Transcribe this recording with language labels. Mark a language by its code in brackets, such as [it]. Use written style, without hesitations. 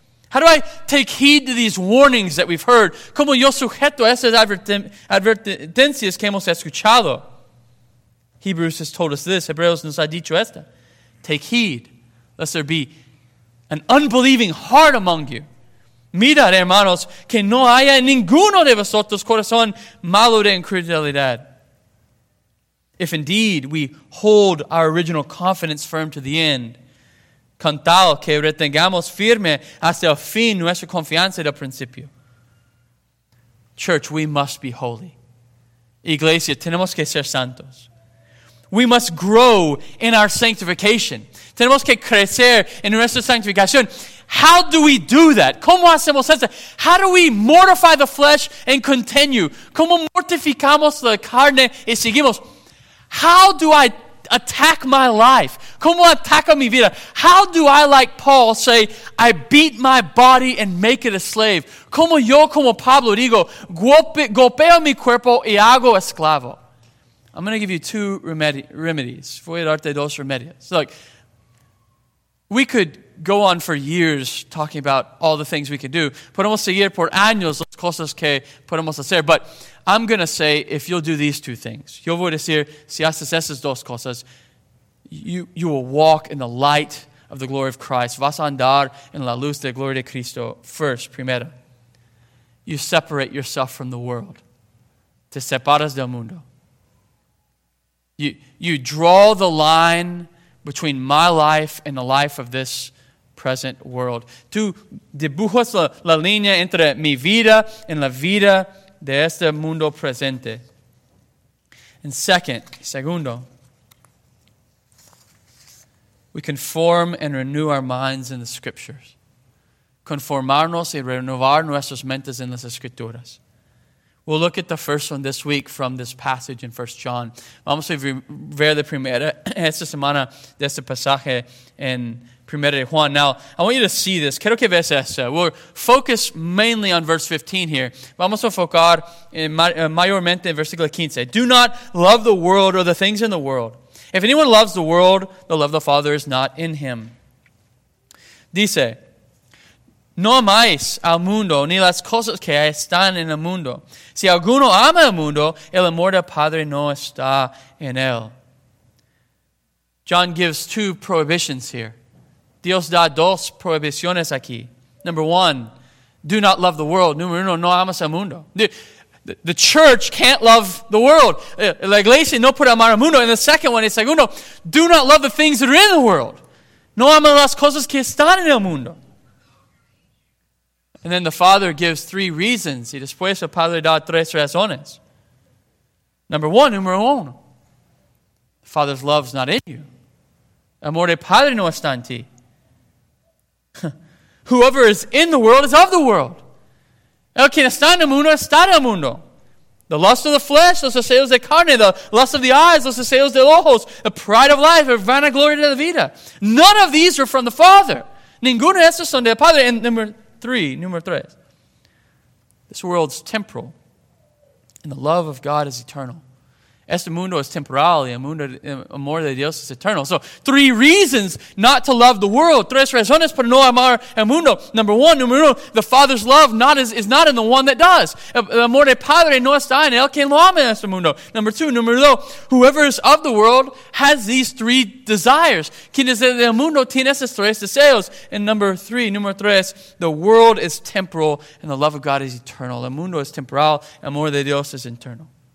[en] How do I take heed to these warnings that we've heard? [es] ¿Cómo yo sujeto a esas advertencias que hemos escuchado? [en] Hebrews has told us this. [es] Hebreos nos ha dicho esta. [en] Take heed, lest there be an unbelieving heart among you. [es] Mirad, hermanos, que no haya en ninguno de vosotros corazón malo de incredulidad. [en] If indeed we hold our original confidence firm to the end, [es] con tal que retengamos firme hasta el fin nuestra confianza del principio. [en] Church, we must be holy. [es] Iglesia, tenemos que ser santos. [en] We must grow in our sanctification. [es] Tenemos que crecer en nuestra sanctificación. [en] How do we do that? [es] ¿Cómo hacemos eso? [en] How do we mortify the flesh and continue? [es] ¿Cómo mortificamos la carne y seguimos? [en] How do I attack my life? [es] ¿Cómo ataco mi vida? [en] How do I, like Paul, say, I beat my body and make it a slave? [es] ¿Cómo yo, como Pablo, digo, golpeo mi cuerpo y hago esclavo? [en] I'm going to give you two remedies. [es] Voy a darte dos remedios. [en] Look, we could go on for years talking about all the things we can do. [es] Podemos seguir por años las cosas que podemos hacer. [en] But I'm going to say, if you'll do these two things, [es] yo voy a decir, si haces esas dos cosas, [en] you will walk in the light of the glory of Christ. [es] Vas a andar en la luz de gloria de Cristo first, primero. [en] You separate yourself from the world. [es] Te separas del mundo. [en] You draw the line between my life and the life of this present world. [es] Tú dibujas la línea entre mi vida y la vida de este mundo presente. [en] And segundo, we conform and renew our minds in the Scriptures. [es] Conformarnos y renovar nuestras mentes en las Escrituras. [en] We'll look at the first one this week from this passage in 1 John. [es] Vamos a ver la primera esta semana de este pasaje en 1 Juan. [en] Now, I want you to see this. [es] Quiero que veas esto. [en] We'll focus mainly on verse 15 here. [es] Vamos a enfocar mayormente en versículo 15. [en] Do not love the world or the things in the world. If anyone loves the world, the love of the Father is not in him. [es] Dice, no amáis al mundo, ni las cosas que están en el mundo. Si alguno ama el mundo, el amor del Padre no está en él. [en] John gives two prohibitions here. [es] Dios da dos prohibiciones aquí. [en] Number one, do not love the world. [es] Número uno, no amas al mundo. [en] The church can't love the world. [es] La iglesia no puede amar al mundo. [en] And the second one is, segundo, do not love the things that are in the world. [es] No ama las cosas que están en el mundo. [en] And then the Father gives three reasons. [es] Y después el Padre da tres razones. [en] Number one, [es] número uno. [en] The Father's love is not in you. [es] Amor de Padre no está en ti. [en] Whoever is in the world is of the world. [es] El que está en el mundo está en el mundo. [en] The lust of the flesh, [es] los deseos de carne. [en] The lust of the eyes, [es] los deseos de ojos. [en] The pride of life, the [es] vanagloria de la vida. [en] None of these are from the Father. [es] Ninguno de estos son del Padre. And número tres. [en] This world's temporal. And the love of God is eternal. [es] Este mundo es temporal y el amor de Dios es eternal. [en] So, three reasons not to love the world. [es] Tres razones para no amar el mundo. [en] Number uno, the Father's love is not in the one that does. [es] El amor de Padre no está en el que lo ama en este mundo. Número dos, [en] whoever is of the world has these three desires. [es] Quien es del mundo tiene esos tres deseos. And número tres, [en] the world is temporal and the love of God is eternal. [es] El mundo es temporal, el amor de Dios es eternal.